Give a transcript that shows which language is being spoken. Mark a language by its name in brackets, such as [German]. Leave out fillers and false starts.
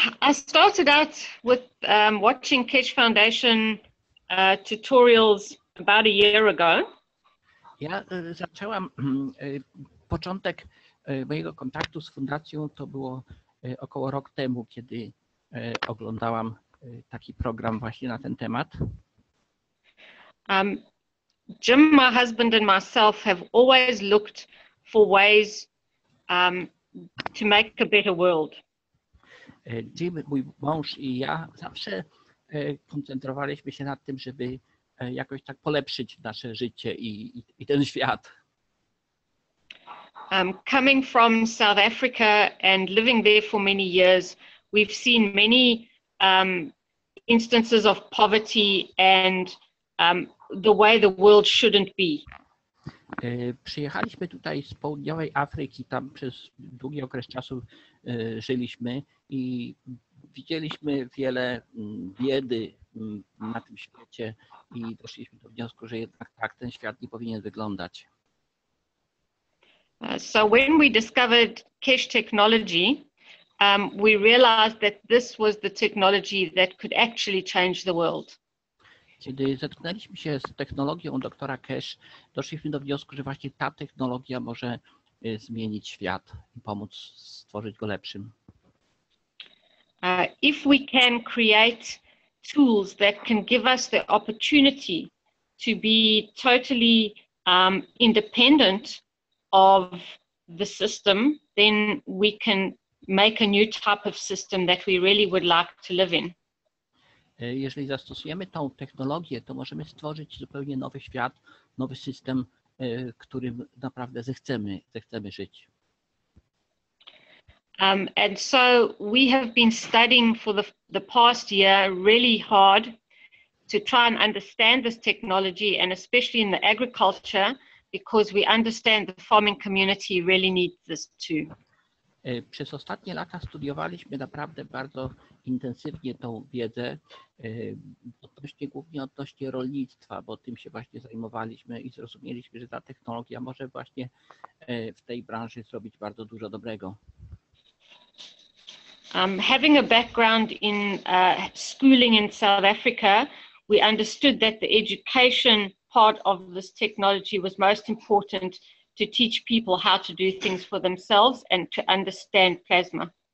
[English] I started out with watching Keshe Foundation tutorials about a year ago. [Polish] Ja zaczęłam początek mojego kontaktu z fundacją to było około rok temu, kiedy oglądałam taki program właśnie na ten temat. [English] Jim, my husband and myself have always looked for ways to make a better world. [Polish] Jim, mój mąż i ja zawsze koncentrowaliśmy się nad tym, żeby jakoś tak polepszyć nasze życie i ten świat. [English] Coming from South Africa and living there for many years, we've seen many instances of poverty and the way the world shouldn't be. [Polish] Przyjechaliśmy tutaj z południowej Afryki, tam przez długi okres czasu żyliśmy i widzieliśmy wiele biedy na tym świecie i doszliśmy do wniosku, że jednak tak ten świat nie powinien wyglądać. [English] So when we discovered Keshe technology, we realized that this was the technology that could actually change the world. [Polish] Kiedy zetknęliśmy się z technologią doktora Keshe, doszliśmy do wniosku, że właśnie ta technologia może zmienić świat i pomóc stworzyć go lepszym. [English] If we can create tools that can give us the opportunity to be totally independent of the system, then we can make a new type of system that we really would like to live in. [Polish] Jeżeli zastosujemy tą technologię, to możemy stworzyć zupełnie nowy świat, nowy system, którym naprawdę zechcemy żyć. [English] And so we have been studying for the past year really hard to try and understand this technology, and especially in the agriculture, because we understand the farming community really needs this too. [Polish] Przez ostatnie lata studiowaliśmy naprawdę bardzo intensywnie tą wiedzę, głównie odnośnie rolnictwa, bo tym się właśnie zajmowaliśmy i zrozumieliśmy, że ta technologia może właśnie w tej branży zrobić bardzo dużo dobrego. [English] Having a background in schooling in South Africa, we understood that the education part of this technology was most important to teach people how to do things for themselves and to understand plasma.